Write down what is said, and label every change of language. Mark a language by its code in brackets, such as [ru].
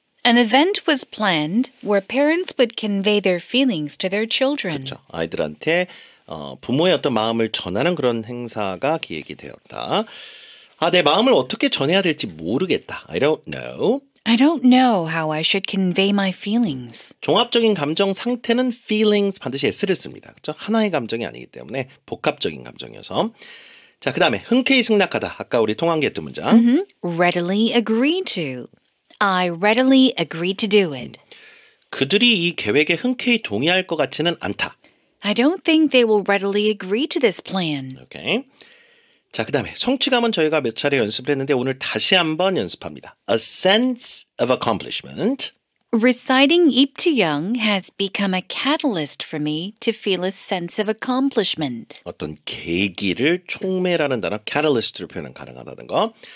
[en] An event was planned where parents would convey their feelings to their children. [ko] 그렇죠. 아이들한테 부모의 어떤 마음을 전하는 그런 행사가 기획이 되었다. 아, 내 마음을 어떻게 전해야 될지 모르겠다. [en] I don't know. I don't know how I should convey my feelings. [ko] 종합적인 감정 상태는 feelings 반드시 S를 씁니다. 그렇죠? 하나의 감정이 아니기 때문에 복합적인 감정이어서. 자, 그 다음에 흔쾌히 승낙하다. 아까 우리 통한계했던 문장. [en] Mm-hmm. Readily agree to. I readily agree to do it. [ko] 그들이 이 계획에 흔쾌히 동의할 것 같지는 않다. [en] I don't think they will readily agree to this plan. Okay. [ko] 자, 그 다음에 성취감은 저희가 몇 차례 연습을 했는데 오늘 다시 한번 연습합니다. [en] A sense of accomplishment. Reciting 입지영 has become a catalyst for me to feel a sense of accomplishment. [ko] 어떤 계기를 촉매라는 단어 catalyst로 표현은 가능하다는 거.